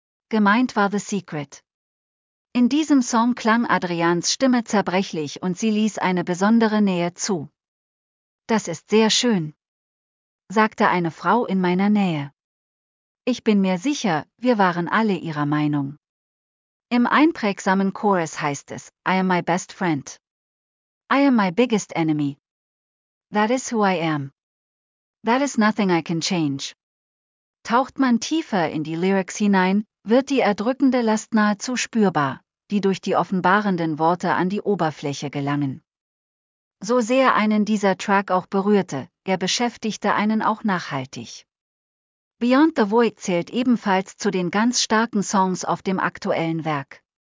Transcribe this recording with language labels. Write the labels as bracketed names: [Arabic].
[German] Gemeint war The Secret. In diesem Song klang Adrians Stimme zerbrechlich und sie ließ eine besondere Nähe zu. Das ist sehr schön, sagte eine Frau in meiner Nähe. Ich bin mir sicher, wir waren alle ihrer Meinung. Im einprägsamen Chorus heißt es, [English] I am my best friend. I am my biggest enemy. That is who I am. That is nothing I can change. [German] Taucht man tiefer in die Lyrics hinein, wird die erdrückende Last nahezu spürbar, die durch die offenbarenden Worte an die Oberfläche gelangen. So sehr einen dieser Track auch berührte, er beschäftigte einen auch nachhaltig. Beyond the Void zählt ebenfalls zu den ganz starken Songs auf dem aktuellen Werk.